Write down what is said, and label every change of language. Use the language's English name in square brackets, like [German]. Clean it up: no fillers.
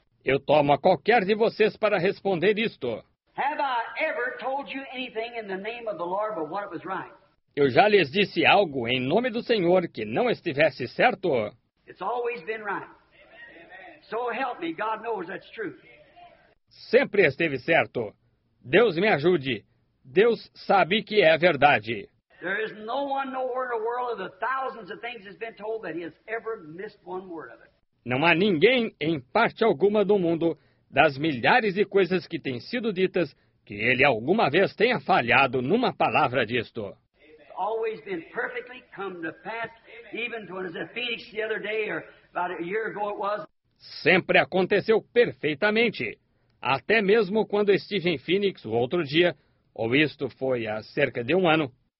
[Portuguese] Eu tomo a qualquer de vocês para responder isto. [English] Have I ever told you anything in the name of the Lord but what was right? [Portuguese] Eu já lhes disse algo em nome do Senhor que não estivesse certo? [English] It's always been right. So help me, God knows that's true. [Portuguese] Sempre esteve certo. Deus me ajude. Deus sabe que é verdade. [English] There is no one nowhere in the world of the thousands of things that's been told that he has ever missed one word of it. [Portuguese] Não há ninguém em parte alguma do mundo das milhares de coisas que têm sido ditas que ele alguma vez tenha falhado numa palavra disto. [English] It's always been perfectly come to pass, even when it was in Phoenix the other day or about a year ago it was. [Portuguese] Sempre aconteceu perfeitamente, até mesmo quando estive em Phoenix o outro dia, ou isto foi há cerca de um ano.